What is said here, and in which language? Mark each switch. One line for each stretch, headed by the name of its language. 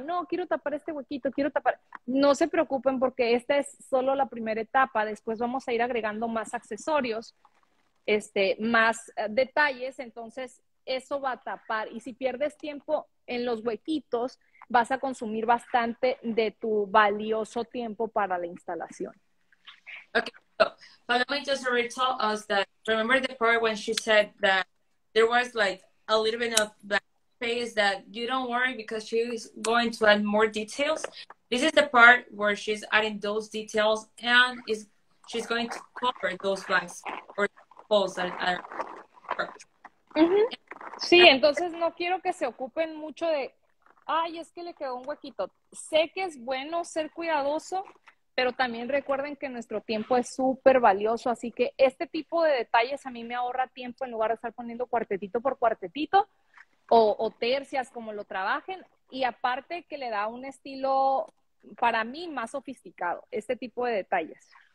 Spanish: No, quiero tapar este huequito, quiero tapar. No se preocupen porque esta es solo la primera etapa. Después vamos a ir agregando más accesorios, más detalles. Entonces, eso va a tapar. Y si pierdes tiempo en los huequitos, vas a consumir bastante de tu valioso tiempo para la instalación. Ok.
English: So, let me just retell us that, remember the part when she said that there was like a little bit of black space, that you don't worry because she is going to add more details. This is the part where she's adding those details and she's going to cover those blanks or holes that are perfect.
Spanish: Sí, entonces no quiero que se ocupen mucho de, ay, es que le quedó un huequito. Sé que es bueno ser cuidadoso, pero también recuerden que nuestro tiempo es súper valioso, así que este tipo de detalles a mí me ahorra tiempo en lugar de estar poniendo cuartetito por cuartetito o tercias como lo trabajen, y aparte que le da un estilo para mí más sofisticado, este tipo de detalles.